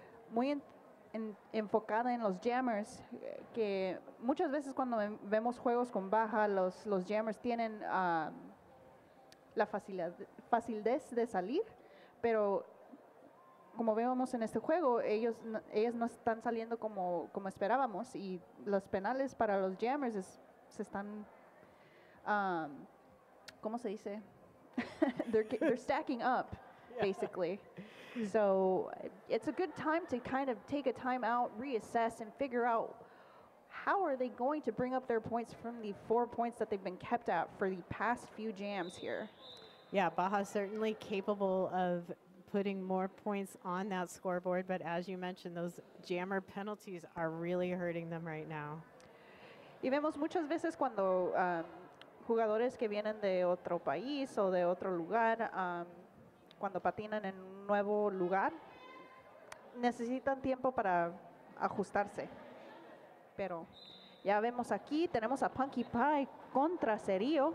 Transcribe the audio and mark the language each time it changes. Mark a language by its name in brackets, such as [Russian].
[Spanish] muy enfocada en los jammers, que muchas veces cuando vemos juegos con Baja, los jammers tienen la facilidad de salir, pero como vemos en este juego, ellos no están saliendo como esperábamos, y los penales para los jammers se están, ¿cómo se dice? [English] they're stacking up, basically. So it's a good time to kind of take a time out, reassess, and figure out how are they going to bring up their points from the 4 points that they've been kept at for the past few jams here. Yeah, Baja certainly capable of putting more points on that scoreboard, but as you mentioned, those jammer penalties are really hurting them right now. [Spanish] Y vemos muchas veces cuando jugadores que vienen de otro país o de otro lugar, cuando patinan en un nuevo lugar, necesitan tiempo para ajustarse. Pero ya vemos aquí, tenemos a Punky Pie contra Cerillo.